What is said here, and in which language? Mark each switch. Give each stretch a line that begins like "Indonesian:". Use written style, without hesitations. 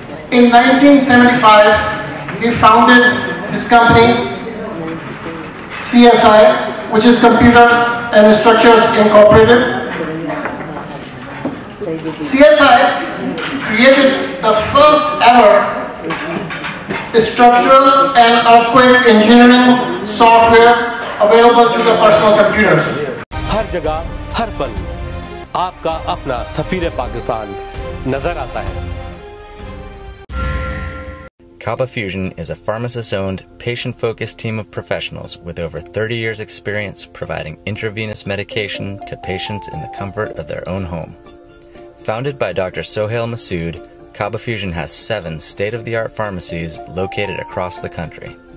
English: In 1975, he founded his company, CSI, which is Computer and Structures Incorporated. CSI created the first ever structural and earthquake engineering software
Hindi: हर जगह हर पल आपका अपना सफीरे पाकिस्तान नजर आता है.
English: Kaba Fusion is a pharmacist-owned, patient-focused team of professionals with over 30 years' experience providing intravenous medication to patients in the comfort of their own home. Founded by Dr. Sohail Masood, Kaba Fusion has 7 state-of-the-art pharmacies located across the country.